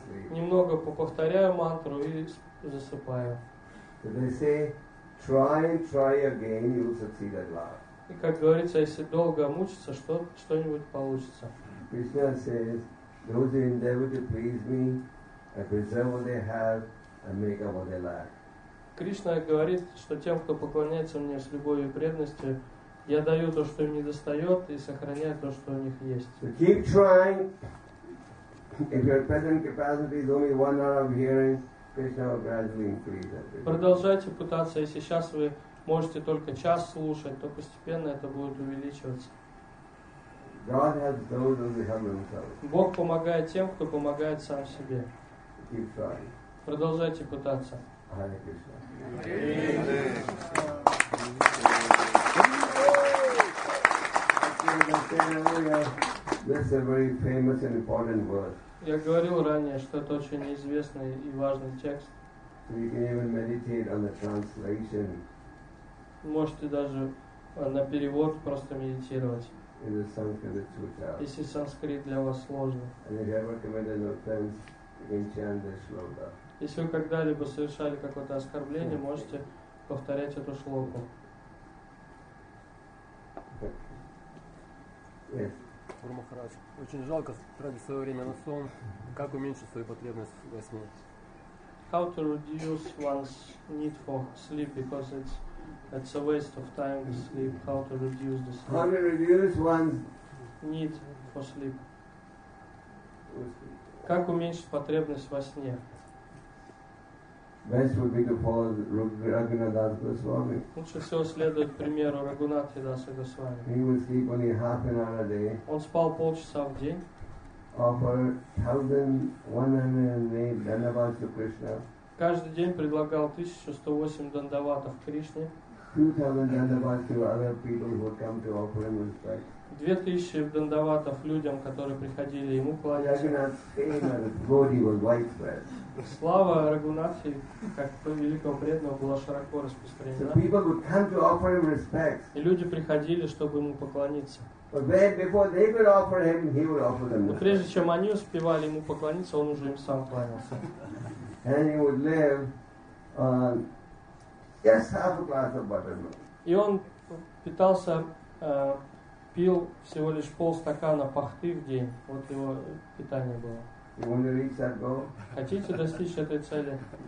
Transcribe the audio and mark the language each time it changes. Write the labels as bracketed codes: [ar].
[ru] Немного повторяю мантру и засыпаю. И как говорится, если долго мучиться, что-нибудь получится. [en] Krishna says, those who endeavor to please me, I preserve what they have and make up what they lack. [ru] Кришна говорит, что тем, кто поклоняется мне с любовью и преданностью, я даю то, что им недостает, и сохраняю то, что у них есть. [en] So keep trying. If your present capacity is only 1 hour of hearing, Krishna will gradually increase that. [ru] Продолжайте пытаться. Если сейчас вы можете только час слушать, то постепенно это будет увеличиваться. [en] God has those who help themselves. [ru] Бог помогает тем, кто помогает сам себе. [en] Keep trying. [ru] Продолжайте пытаться. [sa] Hare Krishna. [en] This is a very famous and important verse. [ru] Я говорил ранее, что это очень известный и важный текст. [en] So you can even meditate on the translation. [ru] Можете даже на перевод просто медитировать. [en] In the Sanskrit, it's too tough. [ru] Если санскрит для вас сложно. [en] And if you ever committed an offense, you can chant this shloka. [ru] Если вы когда-либо совершали какое-то оскорбление, можете повторять эту шлоку. Гуру Махарадж, очень жалко тратить свое время на сон. Как уменьшить свою потребность во сне? [en] How to reduce one's need for sleep, because it's a waste of time to sleep. How to reduce the sleep? How to reduce one's need for sleep? [ru] Как уменьшить потребность во сне? [en] Best would be to follow Raghunadas Goswami. [ru] Лучше всего следовать примеру Рагхунатха Даса Госвами. [en] He would sleep only half an hour a day. [ru] Он спал полчаса в день. [en] Offer 1,108 дандаватов to Krishna. [ru] Каждый день предлагал 1,108 дандаватов Кришне. [en] 2,000 дандаватов to other people who come to offer him respect. [ru] 2,000 дандаватов людям, которые приходили ему кланяться. Слава Рагхунатхе, как великого преданного, была широко распространена. [en] So people would come to offer him respect. [ru] И люди приходили, чтобы ему поклониться. [en] But they, before they could offer him, he would offer them respect. [ru] Но прежде чем они успевали ему поклониться, он уже им сам кланялся. [en] And he would live on just half a glass of buttermilk. [ru] И он питался пил всего лишь полстакана пахты в день. Вот его питание было. [en] You want to reach that goal? [ru] Хотите достичь этой цели?